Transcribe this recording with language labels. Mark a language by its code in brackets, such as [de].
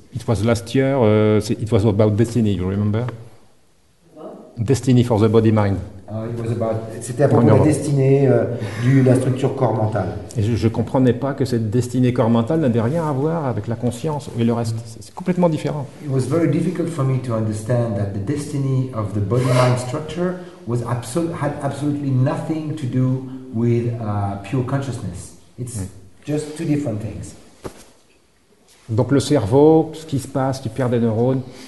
[en] It was last year. It was about destiny. You remember? What? Destiny for the body mind. [fr] C'était à propos de la destinée de la structure corps mental. Et je ne comprenais pas que cette destinée corps mental n'avait rien à voir avec la conscience et le reste. C'est complètement différent. [en] It was very difficult for me to understand that the destiny of the body mind structure was had absolutely nothing to do with pure consciousness. It's just two different things. [fr] Donc le cerveau, ce qui se passe, tu perds des neurones.